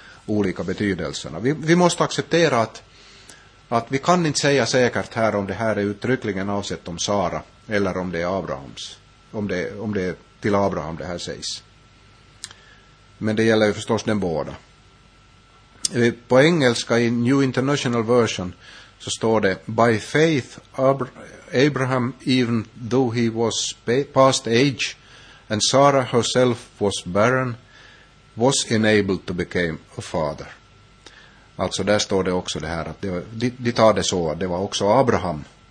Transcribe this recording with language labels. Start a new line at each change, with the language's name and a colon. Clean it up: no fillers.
Swedish: olika betydelserna. Vi måste acceptera att vi kan inte säga säkert här om det här är uttryckligen avsett om Sara eller om det är Abrahams. Om det är till Abraham det här sägs. Men det gäller ju förstås den båda. På engelska i New International Version så står det:
English: by faith Abraham, even though he was past age and Sarah herself was barren, was enabled to become a father.
Swedish: Alltså där står det också det här att de tar det så att det var också Abraham.